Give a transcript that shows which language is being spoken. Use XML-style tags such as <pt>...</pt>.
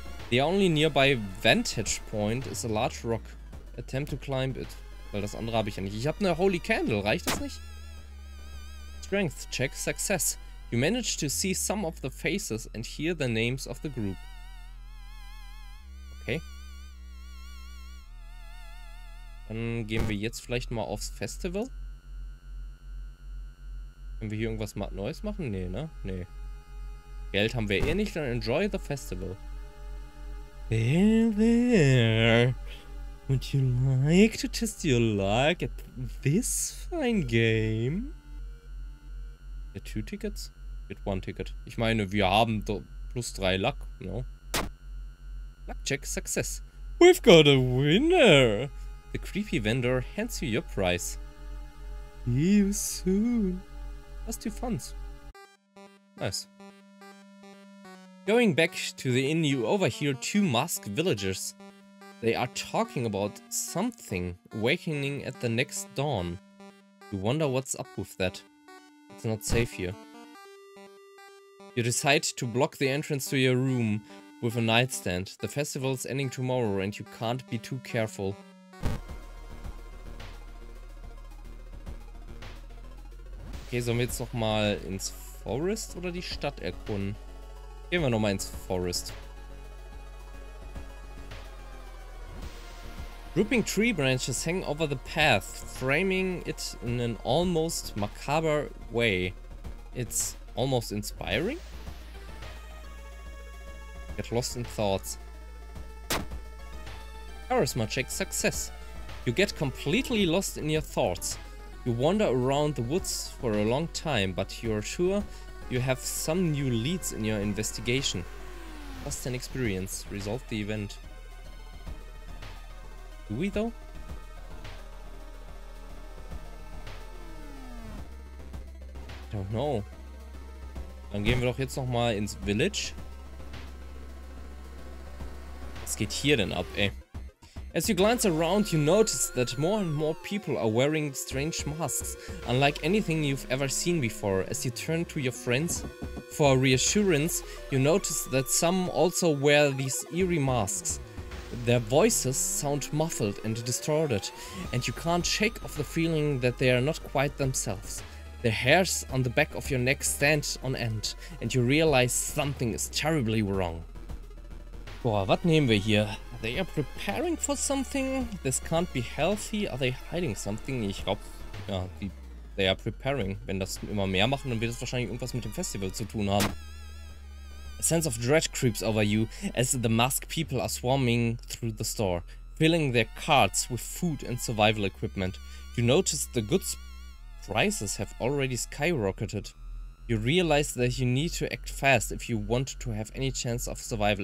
<en>The only nearby vantage point is a large rock. Attempt to climb it.</en> <de>Weil das andere habe ich ja nicht. Ich habe eine Holy Candle. Reicht das nicht?</de> <en>Strength check success. You manage to see some of the faces and hear the names of the group. Okay.</en> <de>Dann gehen wir jetzt vielleicht mal aufs Festival. Können wir hier irgendwas Neues machen? Nee, ne? Nee. Geld haben wir eh nicht. Dann</de> <en>enjoy the festival. There, there. Would you like to test your luck at this fine game? Get two tickets? Get one ticket.</en> <de>Ich meine, wir haben plus drei Luck, no?</de> <en>Luck check, success. We've got a winner! The creepy vendor hands you your prize. See you soon.</en> <de>Hast du funds?</de> <en>Nice. Going back to the inn, you overhear two masked villagers. They are talking about something awakening at the next dawn. You wonder what's up with that. It's not safe here. You decide to block the entrance to your room with a nightstand. The festival's ending tomorrow and you can't be too careful.</en> <de>Okay, sollen wir jetzt nochmal ins Forest oder die Stadt erkunden? Gehen wir nochmal ins Forest.</de> <en>Drooping tree branches hang over the path, framing it in an almost macabre way. It's almost inspiring? Get lost in thoughts. Charisma check success. You get completely lost in your thoughts. You wander around the woods for a long time, but you're sure you have some new leads in your investigation. Plus 10 experience. Resolve the event. Do we though? I don't know.</en> <de>Dann gehen wir doch jetzt nochmal ins Village. Was geht hier denn ab, ey?</de> <en>As you glance around, you notice that more and more people are wearing strange masks, unlike anything you've ever seen before. As you turn to your friends for reassurance, you notice that some also wear these eerie masks. Their voices sound muffled and distorted, and you can't shake off the feeling that they are not quite themselves. The hairs on the back of your neck stand on end, and you realize something is terribly wrong.</en> <de>Boah, was nehmen wir hier?</de> <en>They are preparing for something? This can't be healthy. Are they hiding something?</en> <de>Ich glaube, ja,</de> <en>they are preparing.</en> <de>Wenn das immer mehr machen, dann wird es wahrscheinlich irgendwas mit dem Festival zu tun haben.</de> <en>A sense of dread creeps over you as the masked people are swarming through the store, filling their carts with food and survival equipment. You notice the goods prices have already skyrocketed. You realize that you need to act fast if you want to have any chance of survival.</en>